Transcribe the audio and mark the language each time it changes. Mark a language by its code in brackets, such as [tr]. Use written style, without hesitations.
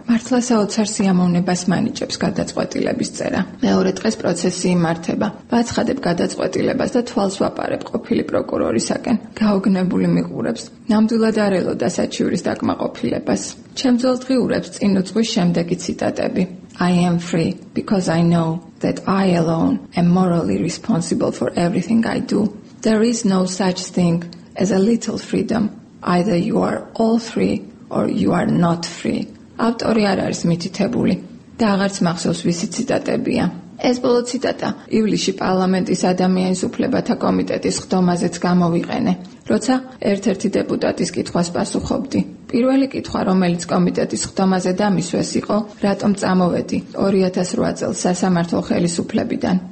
[ka] მართლა საოცარ სიამოვნებას მანიჭებს გადაწყვეტილების წერა. მეორე დღეს პროცესი იმართება. ვაცხადებ გადაწყვეტილებას და თვალს ვაპარებ ყოფილი პროკურორისაკენ. გაოგნებული მიყურებს. ნამდვილად არელოდა საჩივრის დაკმაყოფილებას. ჩემ ძველდღიურებს წინ უძღვის შემდეგი ციტატები. [en] I am free because I know that I alone am morally responsible for everything I do. There is no such thing as a little freedom. Either you are all free or you are not free. [ka] ავტორი არ არის მითითებული და აღარც მახსოვს ვისი ციტატებია. ეს ბოლო ციტატა ივლისში პარლამენტის ადამიანის უფლებათა კომიტეტის ხდომაზეც გამოვიყენე, როცა ერთ-ერთი დეპუტატის კითხვას პასუხობდი. პირველი კითხვა, რომელიც კომიტეტის ხდომაზე დამისვეს, იყო: რატომ წამოვედი 2008 წელს სასამართლო ხელისუფლებიდან?